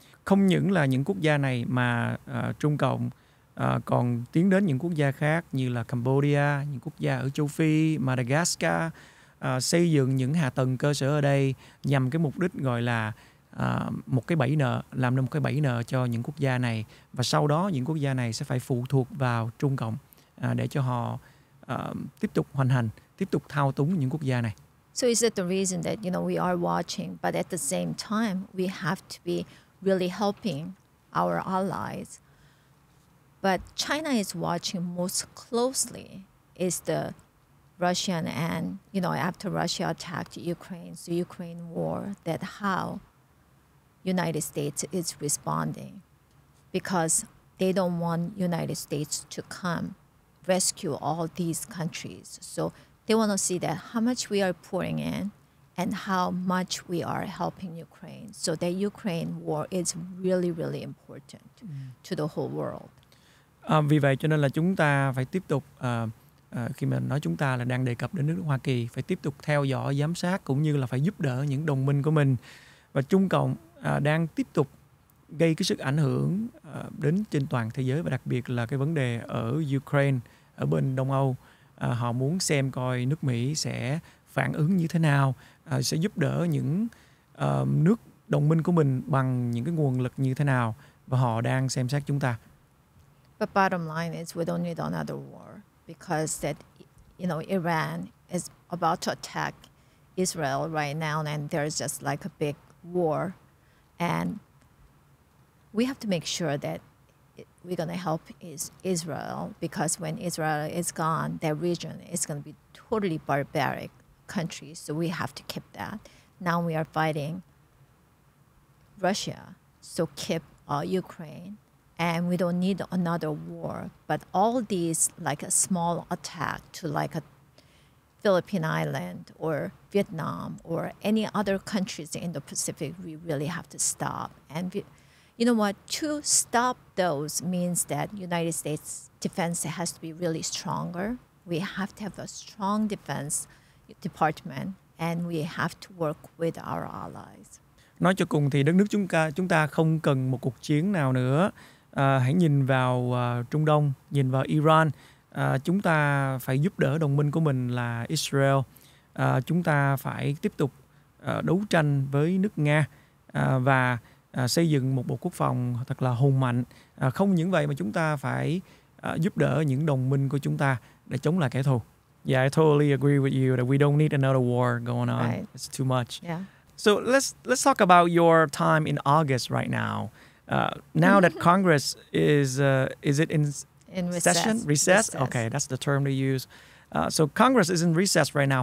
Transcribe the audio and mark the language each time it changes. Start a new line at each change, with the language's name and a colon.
Vietnamese: Không những là những quốc gia này mà Trung Cộng còn tiến đến những quốc gia khác như là Cambodia, những quốc gia ở châu Phi, Madagascar, xây dựng những hạ tầng cơ sở ở đây nhằm cái mục đích gọi là một cái bẫy nợ, làm nên một cái bẫy nợ cho những quốc gia này, và sau đó những quốc gia này sẽ phải phụ thuộc vào Trung Cộng để cho họ tiếp tục hoành hành, tiếp tục thao túng những quốc gia này.
English: So is it the reason that, you know, we are watching, but at the same time we have to be really helping our allies? But China is watching most closely is the Russian, and you know, after Russia attacked Ukraine, so Ukraine war, that how United States is responding, because they don't want United States to come rescue all these countries. So they want to see that how much we are pouring in and how much we are helping Ukraine. So that Ukraine war is really, really important to the whole world.
Vietnamese: Vì vậy cho nên là chúng ta phải tiếp tục, khi mà nói chúng ta là đang đề cập đến nước Hoa Kỳ, phải tiếp tục theo dõi, giám sát, cũng như là phải giúp đỡ những đồng minh của mình. Và Trung Cộng đang tiếp tục gây cái sức ảnh hưởng đến trên toàn thế giới, và đặc biệt là cái vấn đề ở Ukraine, ở bên Đông Âu. Họ muốn xem coi nước Mỹ sẽ phản ứng như thế nào, sẽ giúp đỡ những nước đồng minh của mình bằng những cái nguồn lực như thế nào, và họ đang xem xét chúng ta.
English: But bottom line is we don't need another war because that, you know, Iran is about to attack Israel right now, and there's just like a big war, and we have to make sure that we're going to help Israel, because when Israel is gone, that region is going to be totally barbaric country, so we have to keep that. Now we are fighting Russia, so keep Ukraine, and we don't need another war. But all these like a small attack to like a Philippine Island or Vietnam or any other countries in the Pacific, we really have to stop. And you know what? To stop those means that United States defense has to be really stronger. We have to have a strong defense department, and we have to work with our allies.
Vietnamese: Nói cho cùng thì đất nước chúng ta không cần một cuộc chiến nào nữa. Hãy nhìn vào Trung Đông, nhìn vào Iran. Chúng ta phải giúp đỡ đồng minh của mình là Israel. Chúng ta phải tiếp tục đấu tranh với nước Nga và xây dựng một bộ quốc phòng thật là hùng mạnh. Không những vậy mà chúng ta phải giúp đỡ những đồng minh của chúng ta để chống lại kẻ thù.
English: Yeah, I totally agree with you that we don't need another war going on. Right. It's too much. Yeah. So let's talk about your time in August right now. Now that Congress is it in recess? Okay, that's the term they use. So Congress is in recess right now.